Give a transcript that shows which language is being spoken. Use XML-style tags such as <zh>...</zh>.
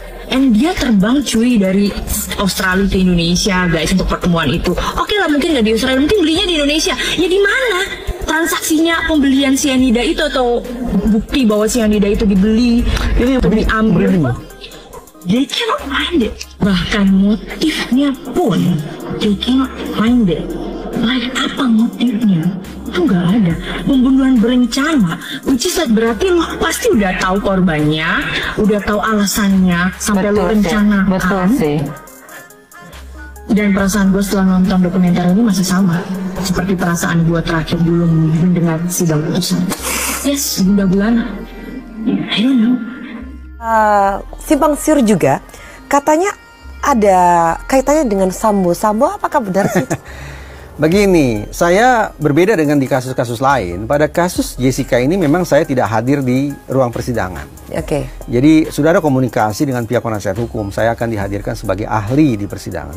<id>And dia terbang cuy dari Australia ke Indonesia guys untuk pertemuan itu. Oke lah, mungkin nggak di Australia, mungkin belinya di Indonesia. Ya di mana transaksinya pembelian cyanida itu atau bukti bahwa cyanida itu dibeli ini atau diambil?</id> <en>They cannot find it.</en> <id>Bahkan motifnya pun</id> <en>they cannot find it.</en> <id>Like apa motifnya? Itu gak ada. Pembunuhan berencana, which is like berarti lo pasti udah tahu korbannya, udah tahu alasannya, sampai lo rencana. Betul sih. Dan perasaan gue setelah nonton dokumenter ini masih sama seperti perasaan gue terakhir dulu mendengar sidang putusan.</id> <en>Yes, Bunda Bulana, I don't know.</en> <id>Simpang siur juga, katanya ada kaitannya dengan Sambo. Sambo apakah benar sih? Begini, saya berbeda dengan di kasus-kasus lain. Pada kasus Jessica ini memang saya tidak hadir di ruang persidangan. Oke. Jadi sudah ada komunikasi dengan pihak penasihat hukum. Saya akan dihadirkan sebagai ahli di persidangan.</id>